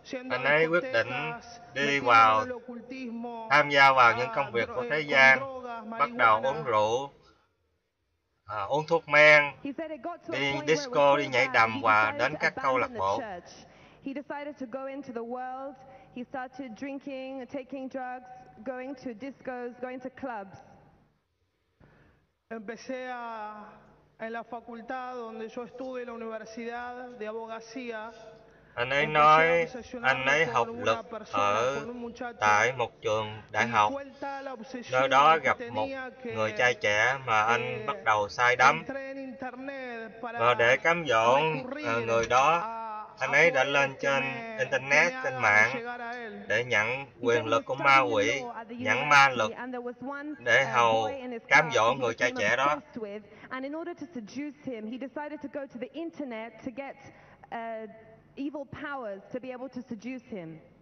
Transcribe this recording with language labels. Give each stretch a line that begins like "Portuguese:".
Vietnamese: Anh ấy quyết định đi vào tham gia vào những công việc của thế gian, bắt đầu uống rượu, uống thuốc men, đi disco, đi nhảy đầm và đến các câu lạc bộ.
English: He decided to go into the world. He started drinking, taking drugs, going to discos, going to clubs.
Spanish: Empecé en la facultad donde yo estudié, la universidad de abogacía.
Vietnamese: Anh ấy nói anh ấy học luật ở tại một trường đại học. Nơi đó gặp một người trai trẻ mà anh bắt đầu say đắm. Và để cám dỗ người đó, anh ấy đã lên trên Internet, trên mạng để nhận quyền lực của ma quỷ, nhận ma lực để hầu cám dỗ người trai trẻ đó.
English: And in order to seduce him, he decided to go to the Internet to get evil powers to be able to seduce him.